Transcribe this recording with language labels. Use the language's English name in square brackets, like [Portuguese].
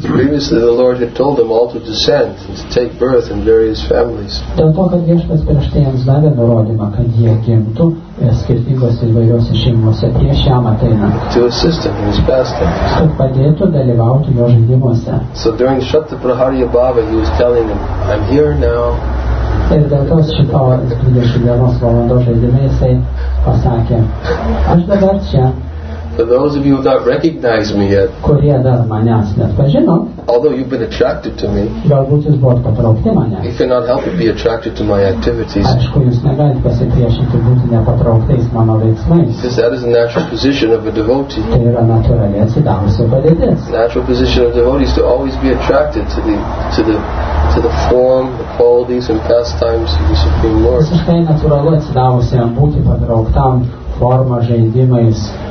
[English] Previously the Lord had told them all to descend and to take birth in various families. [Lithuanian] Dėl to, kad Viešpats prieš tai jiems davė nurodymą, kad jie gimtų skirtingose įvairiose šeimose prieš jam ateina. [English] To assist him in his pastimes. [Lithuanian] Kad padėtų dalyvauti jo žaidimuose. [English] So during Shatta Praharya Bhava he was telling them, I'm here now. [Lithuanian] Ir dėl to šito 21 valandos žaidime jisai pasakė, aš dabar čia. [English] For those of you who have not recognized me yet, [Lithuanian] kurie dar manęs nepažino, [English] although you've been attracted to me, [Lithuanian] galbūt jūs buvote patraukti mane, [English] you cannot help but be attracted to my activities. [Lithuanian] Aišku, jūs negalite pasipriešinti būti nepatrauktais mano veiksmais. [English] Because that is a natural position of a devotee. [Lithuanian] Tai yra natūrali atsidavusio padėtis. [English] Natural position of a devotee is to always be attracted to the form, the qualities and pastimes of the Supreme Lord. [Lithuanian] Visiškai natūralu atsidavusiam būti patrauktam forma žaidimais.